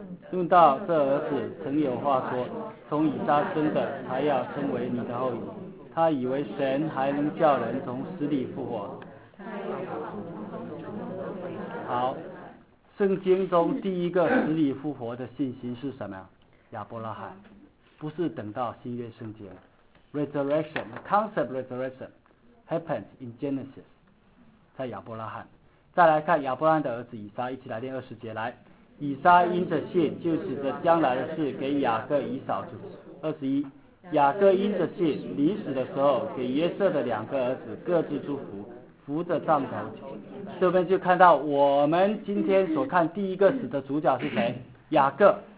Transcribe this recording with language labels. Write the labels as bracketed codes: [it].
[zh] 论到这儿子，曾有话说，从以撒生的才要称为你的后裔。他以为神还能叫人从死里复活。好，圣经中第一个死里复活的信心是什么呀？亚伯拉罕。不是等到新约圣经 [en] resurrection， the concept resurrection happens in Genesis， [zh] 在亚伯拉罕。再来看亚伯拉罕的儿子以撒，一起来念二十节来。以撒因着信，就指着将来的事给雅各以扫祖。二十一，雅各因着信，临死的时候给约瑟的两个儿子各自祝福，扶着杖头。这边就看到我们今天所看第一个死的主角是谁？雅各。